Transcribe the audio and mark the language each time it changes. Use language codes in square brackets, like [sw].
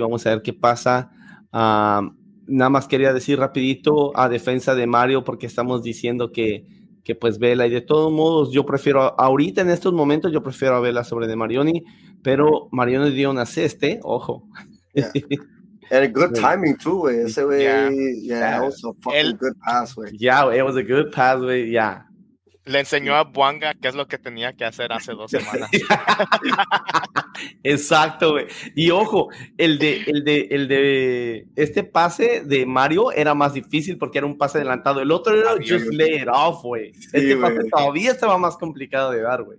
[es] Vamos a ver qué pasa. Nada más quería decir rapidito a defensa de Mario, porque estamos diciendo que pues Vela, y de todos modos, yo prefiero, ahorita en estos momentos, yo prefiero a Vela sobre de Marioni, pero Marioni dio un asiste, ojo. [en] Yeah. And a good timing too, güey. [es] Ese güey, [en] yeah, that was a fucking good pass, güey. Yeah, it was a good pass, güey, yeah. [es] Le enseñó a Buanga qué es lo que tenía que hacer hace 2 semanas. Exacto, güey. Y ojo, el de este pase de Mario era más difícil porque era un pase adelantado. El otro era [en] just lay it off, [es] güey. Sí, este pase wey. Todavía estaba más complicado de dar, güey.